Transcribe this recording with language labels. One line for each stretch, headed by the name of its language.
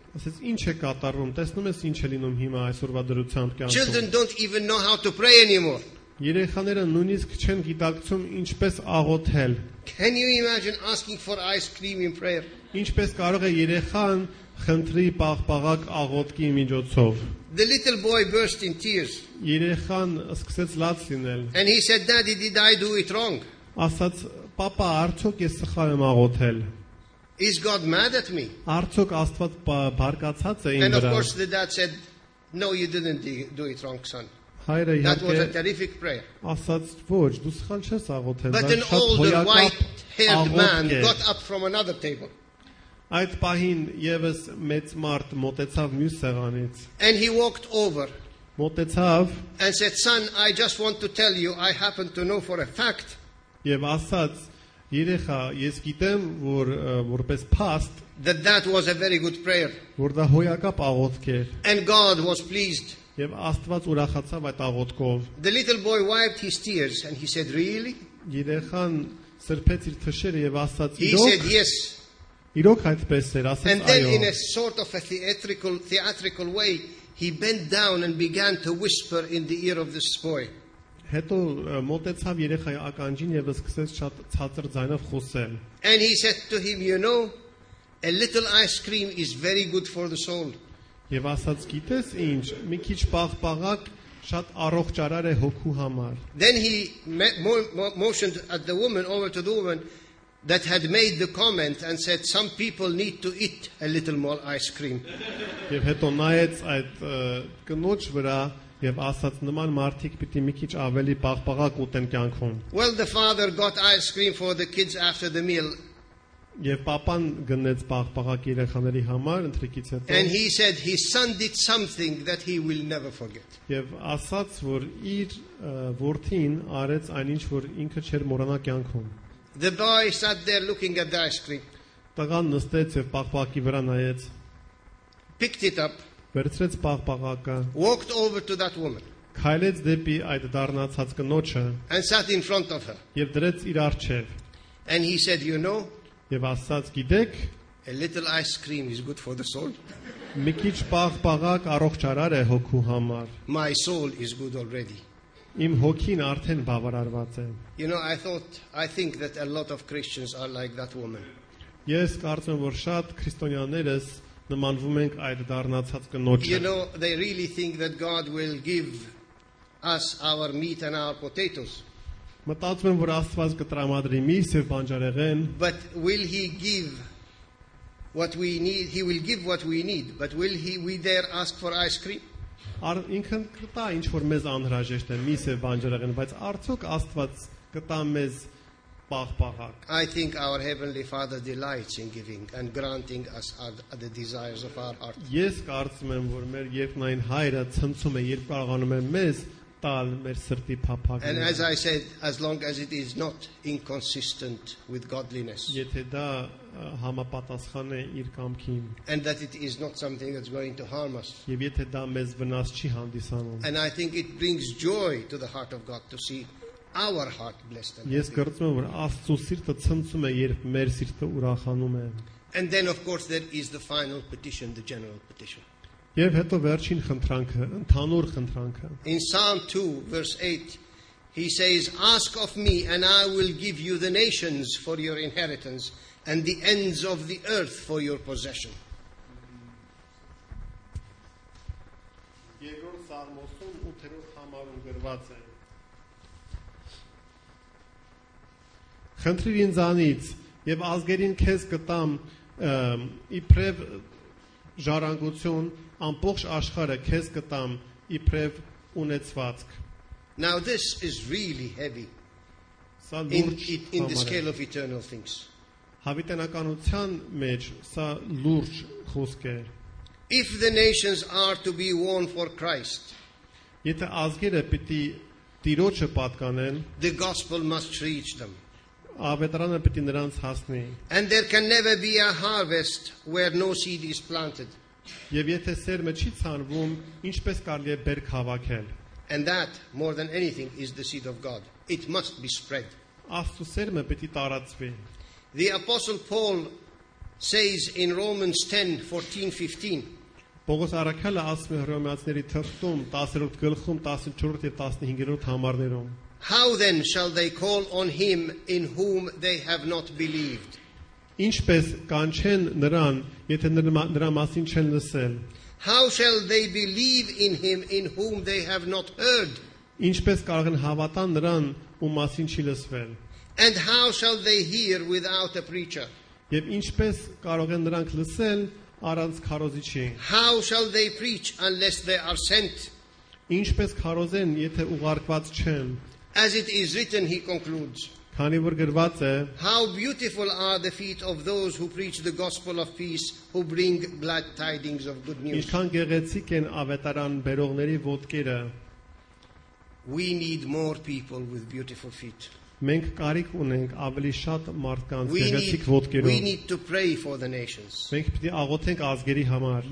Armenian: Ասաց, ինչ է կատարվում, տեսնում ես ինչ է լինում հիմա այսօրվա դրությամբ կյանքում։
English: Children don't even know how to pray anymore.
Armenian: Երեխաները նույնիսկ չեն գիտակցում ինչպես աղոթել։
English: Can you imagine asking for ice cream in prayer?
Armenian: Ինչպես կարող է երեխան խնդրի պաղպաղակ աղոթքի միջոցով։
English: The little boy burst in tears.
Armenian: Երեխան սկսեց լաց լինել։
English: And he said, "Daddy, did I do it wrong?"
Armenian: Ասաց, «Պապա, արդյոք ես սխալ եմ աղոթել»։
English: Is God mad at me?
Armenian: Արդյոք Աստված բարկացած է իմ վրա։
English: And of course the dad said, «No, you didn't do it wrong, son».
Armenian: Հայրը իհարկե,
English: that was a terrific prayer.
Armenian: Ասաց, «Ոչ, դու սխալ չես աղոթել»։
English: But an older white-haired man got up from another table.
Armenian: Այդ պահին ևս մեծ մարդ մոտեցավ մյուս սեղանից։
English: And he walked over.
Armenian: Մոտեցավ։
English: And said, «Son, I just want to tell you, I happen to know for a fact».
Armenian: Եվ ասաց, երեխա, ես գիտեմ, որ որպես փաստ,
English: that was a very good prayer.
Armenian: Որ դա հոյակապ աղոթք էր.
English: And God was pleased.
Armenian: Եվ Աստված ուրախացավ այդ աղոթքով.
English: The little boy wiped his tears and he said, really?
Armenian: Երեխան սրբեց իր թշերը եւ ասաց, իրոք։
English: He said, yes.
Armenian: Իրոք այդպես էր, ասաց, այո։
English: And then in a sort of a theatrical way, he bent down and began to whisper in the ear of this boy.
Armenian: Հետո մոտեցավ երեխայի ականջին եւ սկսեց շատ ցածր ձայնով խոսել։
English: And he said to him, you know, a little ice cream is very good for the soul.
Armenian: Եվ ասաց, գիտես ինչ, մի քիչ պաղպաղակ շատ առողջարար է հոգու համար։
English: Then he motioned at the woman over to the woman that had made the comment and said, some people need to eat a little more ice cream.
Armenian: Եվ հետո նայեց այդ կնոջ վրա Եվ ասաց նման մարդիկ պիտի մի քիչ ավելի պաղպաղակ ուտեն կյանքում։
English: Well, the father got ice cream for the kids after the meal.
Armenian: Եվ պապան գնեց պաղպաղակ երեխաների համար ընթրիքից հետո։
English: And he said his son did something that he will never forget.
Armenian: Եվ ասաց, որ իր որդին արեց այնինչ, որ ինքը չէր մոռանա կյանքում։
English: The boy sat there looking at the ice cream.
Armenian: Տղան նստեց եւ պաղպաղակի վրա նայեց։
English: Picked it up.
Armenian: Վերցրեց պաղպաղակը։
English: Walked over to that woman.
Armenian: Քայլեց դեպի այդ դառնացած կնոջը։
English: And sat in front of her.
Armenian: Եվ դրեց իր առջև։
English: And he said, you know,
Armenian: Եվ ասաց, գիտեք,
English: a little ice cream is good for the soul.
Armenian: Մի քիչ պաղպաղակ առողջարար է հոգու համար։
English: My soul is good already.
Armenian: Իմ հոգին արդեն բավարարված է։
English: You know, I think that a lot of Christians are like that woman.
Armenian: Ես կարծում եմ, որ շատ քրիստոնյաներս նմանվում ենք այդ դառնացած կնոջը։
English: You know, they really think that God will give us our meat and our potatoes.
Armenian: Մտածում են, որ Աստված կտրամադրի միս եւ բանջարեղեն։
English: But will he give what we need? He will give what we need, but will he we there ask for ice cream?
Armenian: Ար ինքն կտա ինչ որ մեզ անհրաժեշտ է, միս եւ բանջարեղեն, բայց արդյոք Աստված կտա մեզ
English: I think our Heavenly Father delights in giving and granting us the desires of our heart.
Armenian: Ես կարծում եմ, որ մեր երկնային հայրը ցնցում է, երբ կարողանում է մեզ տալ մեր սրտի փափագը։
English: And as I said, as long as it is not inconsistent with godliness.
Armenian: Եթե դա համապատասխան է իր կամքին։
English: And that it is not something that's going to harm us.
Armenian: Եվ եթե դա մեզ վնաս չի հանդիսանում։
English: And I think it brings joy to the heart of God to see our heart blessed and
Armenian: Ես կարծում եմ, որ Աստծո սիրտը ցնցում է, երբ մեր սիրտը ուրախանում է։
English: And then of course there is the final petition, the general petition.
Armenian: Եվ հետո վերջին խնդրանքը, ընդհանուր խնդրանքը։
English: In Psalm 2 verse 8 he says, ask of me and I will give you the nations for your inheritance and the ends of the earth for your possession.
Armenian: Երկրորդ Սալմոսում 8-րդ համարում գրված է. Խնդրիր ինձանից եւ ազգերին քեզ կտամ իբրև ժառանգություն ամբողջ աշխարհը քեզ կտամ իբրև ունեցվածք
English: Now this is really heavy
Armenian: Սա լուրջ
English: in the scale of eternal things
Armenian: Հավիտենականության մեջ սա լուրջ խոսք է.
English: If the nations are to be won for Christ,
Armenian: եթե ազգերը պիտի տիրոջը պատկանեն,
English: the gospel must reach them.
Armenian: Ավետարանը պիտի նրանց հասնի.
English: And there can never be a harvest where no seed is planted.
Armenian: Եվ եթե սերմը չի ցանվում, ինչպես կարելի է բերք հավաքել?
English: And that, more than anything, is the seed of God. It must be spread.
Armenian: Աստու սերմը պիտի տարածվի.
English: The Apostle Paul says in Romans 10:14-15.
Armenian: Պողոս առաքյալը ասում է հրեոմեացիների թղթում 10-րդ գլխում 14-րդ եւ 15-րդ համարներում.
English: How then shall they call on him in whom they have not believed?
Armenian: Ինչպես կանչեն նրան, եթե նրա մասին չեն լսել?
English: How shall they believe in him in whom they have not heard?
Armenian: Ինչպես կարող են հավատալ նրան, ում մասին չի լսվել?
English: And how shall they hear without a preacher?
Armenian: Եվ ինչպես կարող են նրանք լսել առանց քարոզիչի?
English: How shall they preach unless they are sent?
Armenian: Ինչպես քարոզեն, եթե ուղարկված չեն?
English: As it is written, he concludes.
Armenian: Քանի որ գրված է.
English: How beautiful are the feet of those who preach the gospel of peace, who bring glad tidings of good news.
Armenian: Ինչքան գեղեցիկ են ավետարան բերողների ոտքերը.
English: We need more people with beautiful feet.
Armenian: Մենք կարիք ունենք ավելի շատ մարդկանց գեղեցիկ ոտքերով.
English: We need to pray for the nations.
Armenian: Մենք պետք է աղոթենք ազգերի համար.